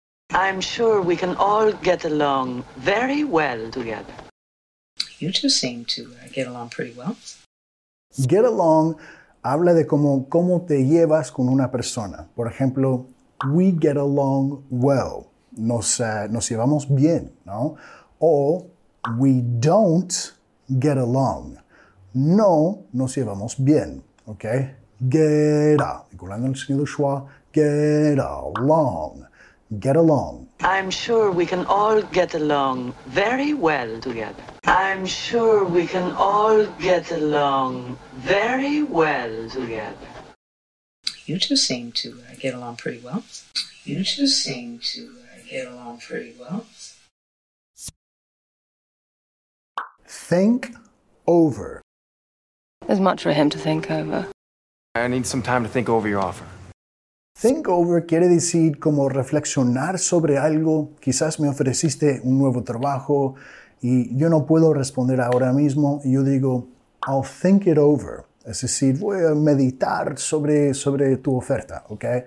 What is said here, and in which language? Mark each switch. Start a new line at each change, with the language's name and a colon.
English: I'm sure we can all get along very well together. You two seem to get along pretty well. Get along
Spanish: habla de cómo te llevas con una persona. Por ejemplo,
English: we get along well.
Spanish: Nos llevamos bien, ¿no?
English: O we don't get along.
Spanish: No nos llevamos bien, ¿ok?
English: Get along. Get along. Get along. I'm sure we can all get along very well together. I'm sure we can all get along very well together. You two seem to get along pretty well. You two seem to get along pretty well. Think over. There's much for him to think over. I need some time to think over your offer.
Spanish: Think over quiere decir como reflexionar sobre algo. Quizás me ofreciste un nuevo trabajo y yo no puedo responder ahora mismo. Yo digo,
English: I'll think it over.
Spanish: Es decir, voy a meditar sobre tu oferta, ¿ok?